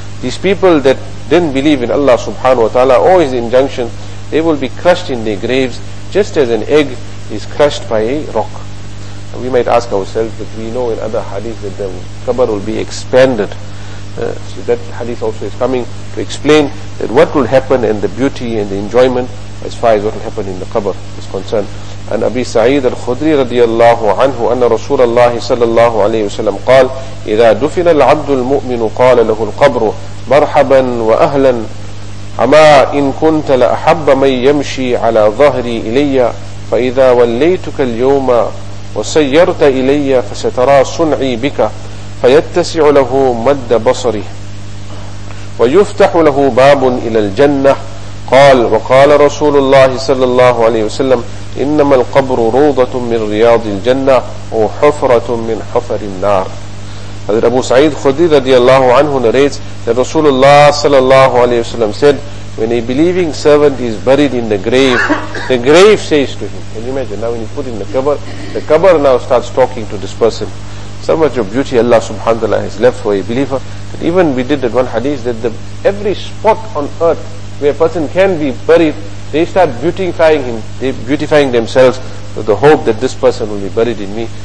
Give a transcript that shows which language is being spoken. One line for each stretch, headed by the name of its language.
English: These people that didn't believe in Allah subhanahu wa ta'ala or His injunctions, they will be crushed in their graves just as an egg is crushed by a rock. And we might ask ourselves, but we know in other hadith that the qabr will be expanded. So that hadith also is coming to explain that what will happen and the beauty and the enjoyment as far as what will happen in the qabr is concerned.
Arabic: And Abi Sa'id al-Khudri radiyallahu anhu anna Rasulullah sallallahu alayhi wa sallam qal, إِذَا دُفِنَ الْعَبْدُ الْمُؤْمِنُ قَالَ لَهُ الْقَبْرُ مَرْحَبًا وَأَهْلًا أما إن كنت لأحب من يمشي على ظهري إلي فإذا وليتك اليوم وسيرت إلي فسترى صنعي بك فيتسع له مد بصري ويفتح له باب إلى الجنة قال وقال رسول الله صلى الله عليه وسلم إنما القبر روضة من رياض الجنة أو حفرة من حفر النار.
English: حضرت أبو سعيد خدري رضي الله عنه narrates that Rasulullah صلى الله عليه وسلم said, when a believing servant is buried in the grave, the grave says to him, can you imagine, now when he's put in the qabr, the qabr now starts talking to this person. So much of beauty Allah subhanahu wa ta'ala has left for a believer. That even we did that one hadith that the, every spot on earth where a person can be buried, they start beautifying him, they beautifying themselves with the hope that this person will be buried in me.